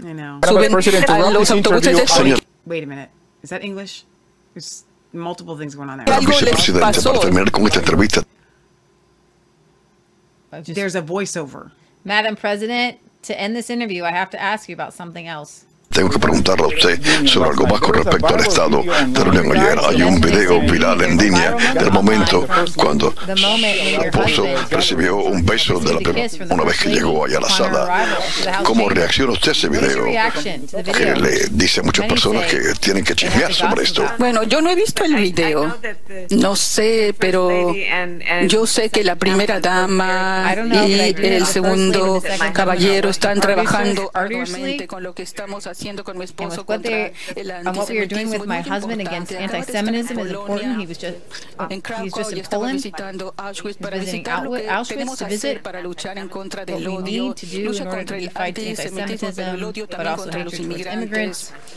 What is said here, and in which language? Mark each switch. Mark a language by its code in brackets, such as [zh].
[en] I know. So wait a minute. Is that English? There's multiple things going on there. There's a voiceover. Madam President, to end this interview, I have to ask you about something else. [es] Tengo que preguntarle a usted sobre algo más con respecto al estado de la Unión ayer. Hay un video viral en línea del momento cuando su esposo recibió un beso de la primera una vez que llegó allá a la sala. ¿Cómo reacciona usted a ese video? Que le dice a muchas personas que tienen que chismear sobre esto. Bueno, yo no he visto el video. No sé, pero yo sé que la primera dama y el segundo caballero están trabajando arduamente con lo que estamos haciendo. [en] And with what, and what we are doing with my husband against anti-Semitism is important. He was just, he's just in Poland. He's visiting Auschwitz to visit. What we need to do in order to be fighting anti-Semitism, but also hatred towards immigrants.